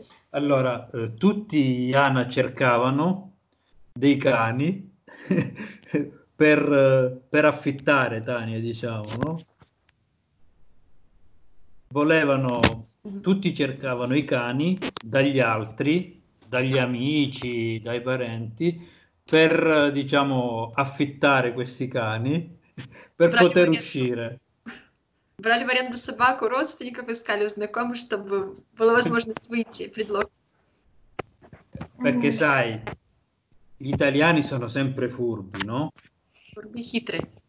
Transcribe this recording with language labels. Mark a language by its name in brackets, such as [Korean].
[Italian] Allora, tutti Iana cercavano dei cani per affittare, Tania, diciamo, no? Tutti cercavano i cani dagli altri, dagli amici, dai parenti, per, diciamo, affittare questi cani. Per poter uscire. [Russian] Брали в аренду собаку, родственников искали у знакомых, чтобы была возможность выйти, предлог. [Italian] Perché sai, gli italiani sono sempre furbi, no? Furbi, [Russian] хитрые.